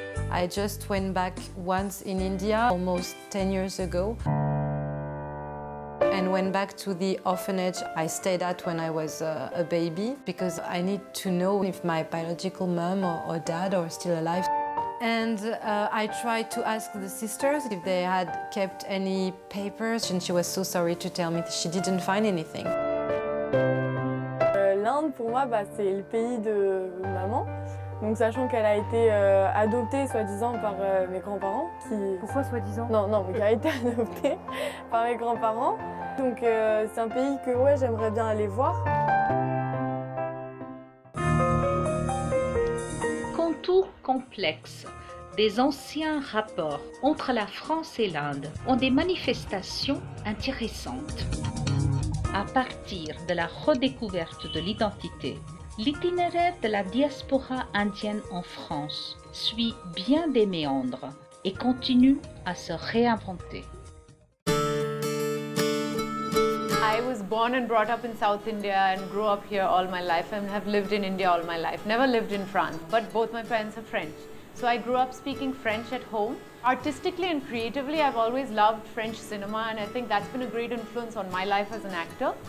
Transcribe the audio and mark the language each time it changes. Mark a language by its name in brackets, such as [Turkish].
[English] I just went back once in India, almost 10 years ago, and went back to the orphanage I stayed at when I was a baby, because I need to know if my biological mom or dad are still alive. And I tried to ask the sisters if they had kept any papers, and she was so sorry to tell me that she didn't find anything. [French] L'Inde, pour moi, bah, c'est le pays de maman. Donc, sachant qu'elle a été adoptée, soi-disant, par mes grands-parents. Qui... Pourquoi soi-disant? Non, non, mais qui a été adoptée par mes grands-parents. Donc, c'est un pays que ouais, j'aimerais bien aller voir. Tour complexe des anciens rapports entre la France et l'Inde ont des manifestations intéressantes. À partir de la redécouverte de l'identité, l'itinéraire de la diaspora indienne en France suit bien des méandres et continue à se réinventer. [English] Born and brought up in South India and grew up here all my life and have lived in India all my life. Never lived in France, but both my parents are French. So I grew up speaking French at home. Artistically and creatively, I've always loved French cinema and I think that's been a great influence on my life as an actor.